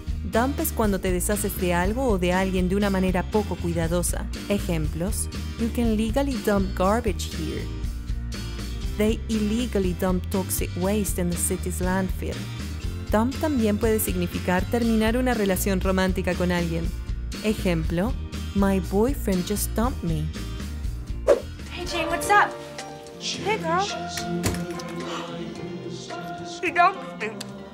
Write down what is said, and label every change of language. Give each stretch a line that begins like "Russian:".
Spanish: Dump es cuando te deshaces de algo o de alguien de una manera poco cuidadosa. Ejemplos.
English: You can legally dump garbage here. They illegally dump toxic waste in the city's landfill.
Spanish: Dump también puede significar terminar una relación romántica con alguien. Ejemplo,
English: my boyfriend just dumped me. Hey Jane, what's up? Hey girl. He dumped me.